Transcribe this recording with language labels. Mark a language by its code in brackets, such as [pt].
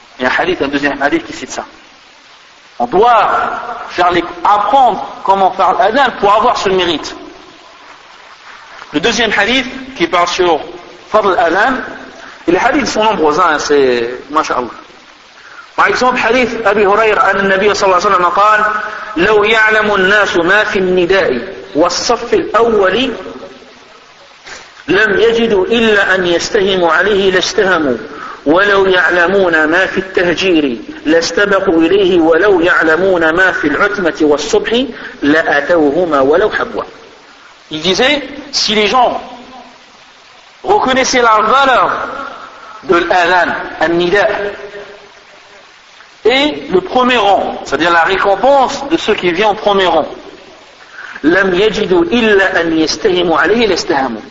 [fr] Il y a un hadith, un deuxième hadith qui cite ça. On doit apprendre comment faire l'adhan pour avoir ce mérite. Le deuxième hadith qui parle sur Fadl al-adhan, et les hadiths sont nombreux, hein, c'est Masha'Allah. Par exemple, hadith Abi Hurayra, le Nabi sallallahu alayhi wa sallam, a dit: [ar] "لو يعلم الناس ما في النداء والصف الأول لم يجدوا إلا أن يستهموا عليه لاستهموا ولو يعلمون ما في التهجير لاستبقوا إليه ولو يعلمون ما في العتمة والصبح لأتوهما ولو حبوا." [fr] Il disait: si les gens reconnaissaient la valeur de l'adhan, al-nida, et le premier rang, c'est-à-dire la récompense de ceux qui viennent au premier rang. [ar] لَمْ يَجِدُوا إِلَّا أَنْ يَسْتَهِمُوا عَلَيْهِ لَسْتَهَمُوا.